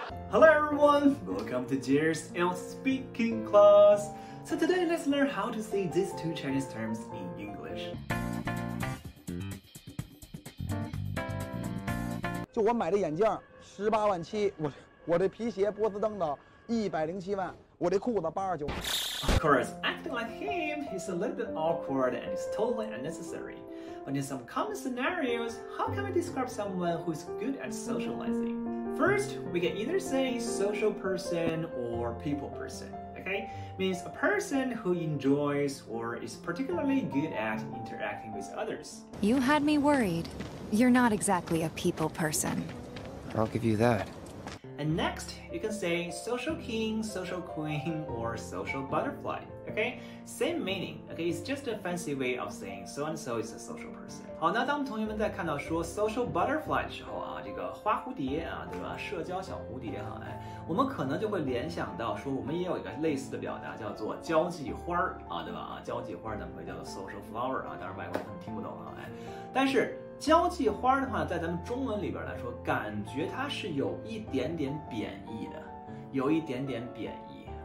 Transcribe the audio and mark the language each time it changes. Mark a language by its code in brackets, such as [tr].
[en] Hello everyone, welcome to Jerry's L Speaking Class. So today let's learn how to say these two Chinese terms in English. [zh] 就我买的眼镜187,000，我的皮鞋波司登的1,070,000，我的裤子89,000。 [en] Of course, acting like him is a little bit awkward and is totally unnecessary. But in some common scenarios, how can we describe someone who is good at socializing? First, we can either say social person or people person, okay? Means a person who enjoys or is particularly good at interacting with others. You had me worried. You're not exactly a people person. I'll give you that. And next, you can say social king, social queen, or social butterfly, okay? Same meaning, okay? It's just a fancy way of saying so-and-so is a social person. [zh] 好，那当同学们在看到说 [en] social butterfly [zh] 的时候啊，这个花蝴蝶啊，对吧？社交小蝴蝶哈，哎，我们可能就会联想到说，我们也有一个类似的表达叫做交际花啊，对吧？啊，交际花咱们会叫做 [en] social flower [zh] 啊，当然外国人可能听不懂啊，哎，但是交际花的话，在咱们中文里边来说，感觉它是有一点点贬义的，有一点点贬义。